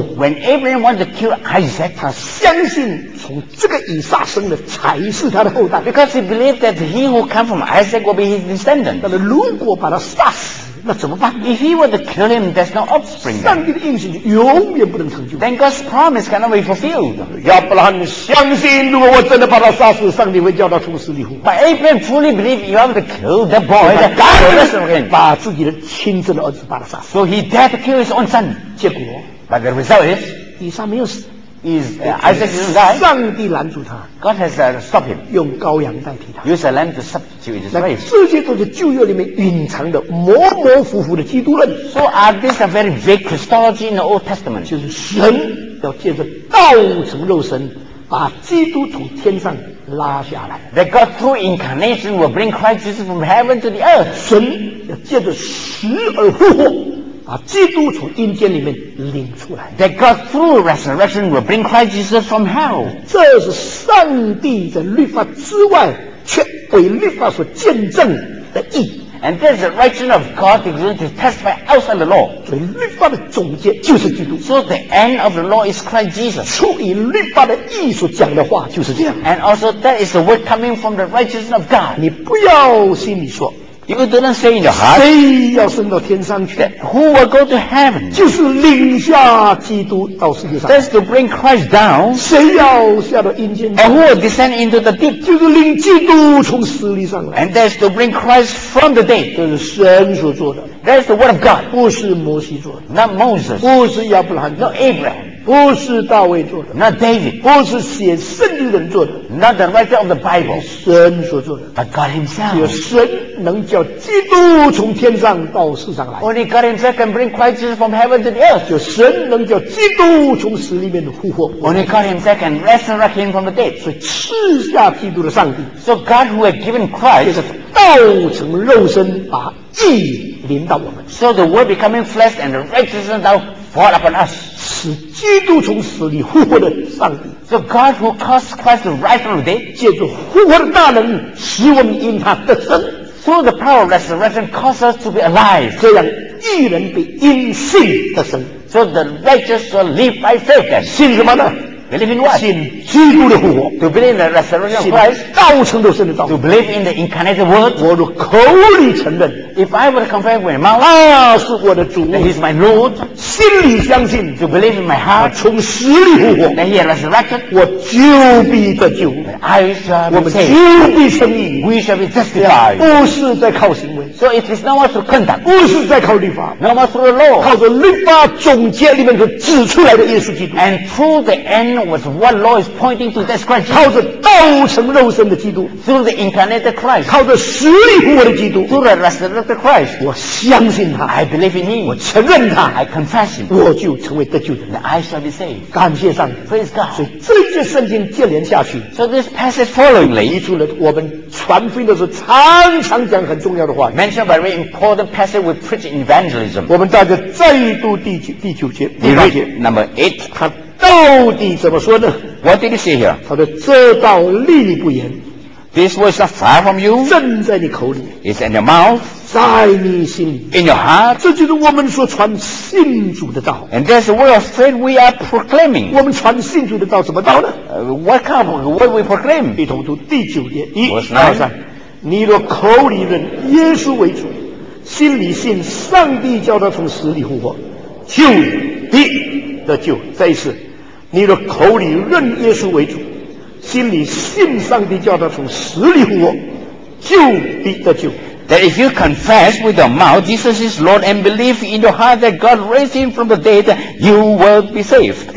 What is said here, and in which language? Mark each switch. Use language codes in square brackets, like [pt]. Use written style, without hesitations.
[en] ，When Abraham wanted to kill Isaac, [zh] 他相信从这个以撒生的才是他的后代 [en] ，because he believed that he who come from Isaac will be his descendant. [zh] 但是如果把他杀死，那怎么办 [en] ？If he were to kill him, there's no offspring. [zh] 上帝的应许永远不能成就 [en] ，then God's promise cannot be fulfilled. [zh] 亚伯拉罕相信，如果我真的把他杀死，上帝会叫他从死里复活。 [en] But Abraham fully believed if he were to kill the boy, then God would bless him. [zh] 把自己的亲生的儿子把他杀死。 [en] So he dared to kill his own son. [zh] 结果 [en] ，But the result is, [zh] 以撒没有死。 [en] Is Isaac didn't die. [zh] 上帝拦住他。 [en] God has stopped him. [zh] 用羔羊代替他。 [en] Use a lamb to substitute his place. [zh] 这些都是旧约里面隐藏的模模糊糊的基督论。 [en] So are these a very vague Christology in the Old Testament? [zh] 就是神要借着道成肉身，把基督从天上拉下来。 [en] That God through incarnation will bring Christ Jesus from heaven to the earth. [zh] 神要借着死而复活。把基督从阴间里面领出来。 [en] That God through resurrection will bring Christ Jesus from hell. [zh] 这是上帝在律法之外却为律法所见证的义。 [en] And there's the righteousness of God that is going to testify outside the law. [zh] 所以律法的总结就是基督。 [en] So the end of the law is Christ Jesus. [zh] 出于律法的义所讲的话就是这样。 [en] And also that is the word coming from the righteousness of God. [zh] 你不要心里说。 [en] You didn't say in your heart. [zh] 谁要升到天上去 [en] ？Who will go to heaven? [zh] 就是领下基督到世界上。 [en] That's to bring Christ down. [zh] 谁要下到阴间 [en] ？And who will descend into the deep? [zh] 就是领基督从死里上来。 [en] And that's to bring Christ from the dead. [zh] 这是神所做的。 [en] That's the word of God. [zh] 不是摩西做的。 [en] Not Moses. [zh] 不是亚伯拉罕。 [en] Not Abraham. [zh] 不是大卫做的。 [en] Not David. [zh] 不是写圣经人做的。 [en] Not the writer of the Bible. [zh] 神所做的。 [en] But God himself. [zh] 有神。能叫基督从天上到世上来。 [en] Only God himself can bring Christ Jesus from heaven to the earth. [zh] 就神能叫基督从死里面复活。 [en] Only God himself can resurrect him from the dead. [zh] 所以赐下基督的上帝。 [en] So God who had given Christ. [zh] 就是道成肉身把义临到我们。 [en] So the word becoming flesh and the righteousness now fall upon us. [zh] 使基督从死里复活的上帝。 [en] So God who caused Christ to rise from the dead. [zh] 借助复活的大能使我们因他得生。 [en] So the power of resurrection causes us to be alive. [zh] 这样义人被因信得生。 [en] So the righteous shall live by faith then. [zh] 信什么呢？ [en] Believe in what? [zh] 信基督的复活。 [en] To believe in the resurrection of Christ. [zh] 道成肉身的道。 [en] To believe in the incarnated word. [zh] 我的口里承认。 [en] If I were to confess with my mouth. [zh] 那是我的主。 [en] That he is my Lord. [zh] 心里相信。 [en] To believe in my heart. [zh] 从死里复活。 [en] That he has resurrected. [zh] 我就必得救。 [en] I shall be saved. [zh] 我们就必生义。 [en] We shall be justified. [zh] 不是在靠行为。 [en] So it is not what to conduct. [zh] 不是在靠律法。 [en] Not what through the law. [zh] 靠着律法总结里面所指出来的耶稣基督。 [en] And through the end was what law is pointing to. That's Christ. [zh] 靠着道成肉身的基督。 [en] Through the incarnated Christ. [zh] 靠着死里复活的基督。 [en] Through the resurrected Christ. [zh] 我相信他。 [en] I believe in him. [zh] 我承认他。 [en] I confess him. [zh] 我就成为得救的人。 [en] I shall be saved. [zh] 感谢上帝。 [en] Praise God. [zh] 所以这些圣经接连下去。 [en] So this passage followingly. [zh] 提出了我们传福音的时候常常讲很重要的话。 [en] Mentioned a very important passage we preach in evangelism. [zh] 我们大概再读第九节。第八节。 [en] Number 8. [zh] 他到底怎么说呢？ [en] What did he say here? [zh] 他说这道离你不远。 [en] This word is not far from you. [zh] 正在你口里。 [en] It's in your mouth. [zh] 在你心里。 [en] In your heart. [zh] 这就是我们所传信主的道。 [en] And that's the word of faith we are proclaiming. [zh] 我们传信主的道怎么道呢？ [en] What kind of word we proclaim? [zh] 一同读第九节。一、二、三。你若口里认耶稣为主，心里信上帝叫他从死里复活，就必得救。再一次，你若口里认耶稣为主，心里信上帝叫他从死里复活，就必得救。 [en] that if you confess with your mouth Jesus is Lord and believe in your heart that God raised him from the dead, you will be saved.